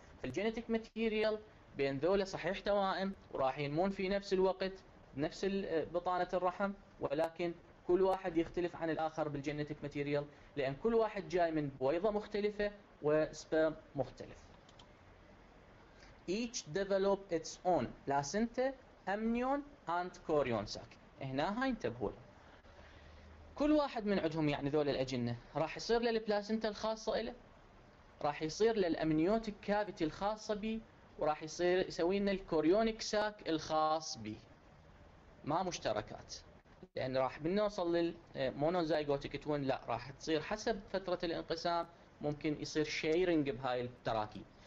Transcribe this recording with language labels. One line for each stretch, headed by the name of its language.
Arabic: فالجينيتيك ماتيريال بين ذولا صحيح توائم وراح ينمون في نفس الوقت بنفس بطانه الرحم، ولكن كل واحد يختلف عن الاخر بالجينيتيك ماتيريال، لان كل واحد جاي من بويضه مختلفه وسبرم مختلف.
English: Each develop its own placenta, amnion and chorion sac.
Arabic: هنا هاي انتبهوا له. كل واحد من عندهم يعني ذول الاجنه راح يصير له البلاسنتا الخاصه له، راح يصير له الامنيوتيك كافيتي الخاصه به، وراح يصير يسوي لنا الكوريونيك ساك الخاص به. ما مشتركات، لان راح بنوصل للمونوزايجوتيك توين، لا راح تصير حسب فتره الانقسام ممكن يصير شيرنج بهاي التراكيب.